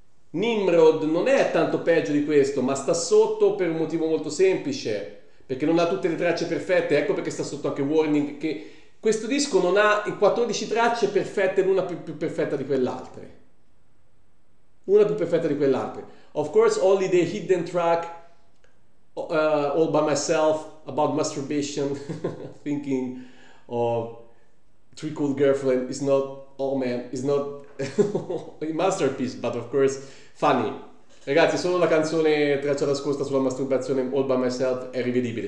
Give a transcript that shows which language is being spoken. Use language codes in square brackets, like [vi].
[it] Nimrod non è tanto peggio di questo, ma sta sotto per un motivo molto semplice, perché non ha tutte le tracce perfette, ecco perché sta sotto anche Warning, che questo disco non ha 14 tracce perfette, l'una più perfetta di quell'altra. Una più perfetta di quell'altra. [en] Of course, only the hidden track, All By Myself, About Masturbation, thinking of Three Cool Girlfriend, is not, oh man, is not a masterpiece, but of course, funny. [it] Ragazzi, solo la canzone Traccia Nascosta sulla masturbazione, All By Myself, è rivedibile.